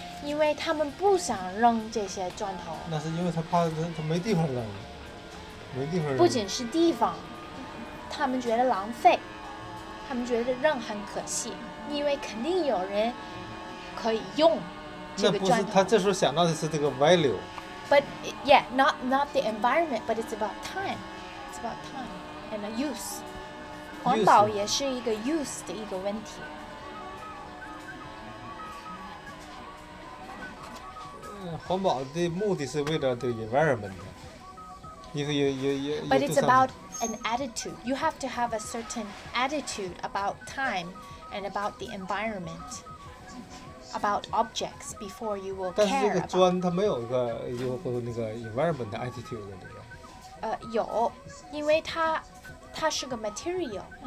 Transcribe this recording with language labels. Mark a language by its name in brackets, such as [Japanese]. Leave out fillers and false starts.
[Chinese] 因为他们不想扔这些砖头。那是因为他怕他没地方扔，没地方扔。不仅是地方，他们觉得浪费，他们觉得扔很可惜，因为肯定有人可以用。那不是他这时候想到的是这个 value， [English] but yeah， not the environment， but it's about time， it's about time and use， [Chinese] 环保也是一个 [English] use [Chinese] 的一个问题。环保的目的是为了这个 environment， 因为有 [English] but it's about an attitude， you have to have a certain attitude about time and about the environment。 About objects before you will care about. [Chinese] 但是这个砖它没有一个那个 [English] environment attitude [Chinese] 的。有，因为它是个 material。